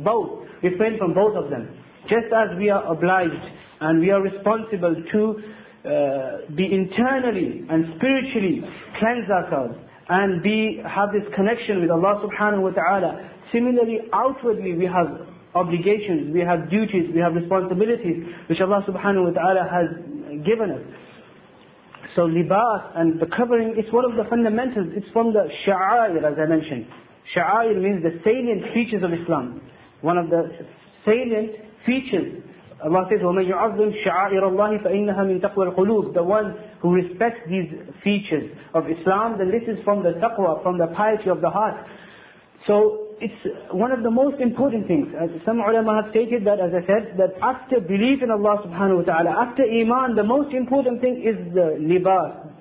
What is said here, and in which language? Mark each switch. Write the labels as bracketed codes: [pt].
[en] Both, refrain from both of them. Just as we are obliged and we are responsible to be internally and spiritually cleanse ourselves and have this connection with Allah subhanahu wa ta'ala, similarly outwardly we have obligations, we have duties, we have responsibilities which Allah subhanahu wa ta'ala has given us. So libas and the covering is one of the fundamentals. It's from the sha'air, as I mentioned. Sha'air means the salient features of Islam. One of the salient features. Allah says, [ar] وَمَنْ يُعَظِّمْ شَعَائِرَ اللَّهِ فَإِنَّهَا مِنْ تَقْوَى الْقُلُوبِ. [en] The one who respects these features of Islam, then this is from the taqwa, from the piety of the heart. So it's one of the most important things. As some ulama have stated that, as I said, that after belief in Allah subhanahu wa ta'ala, after iman, the most important thing is the libas,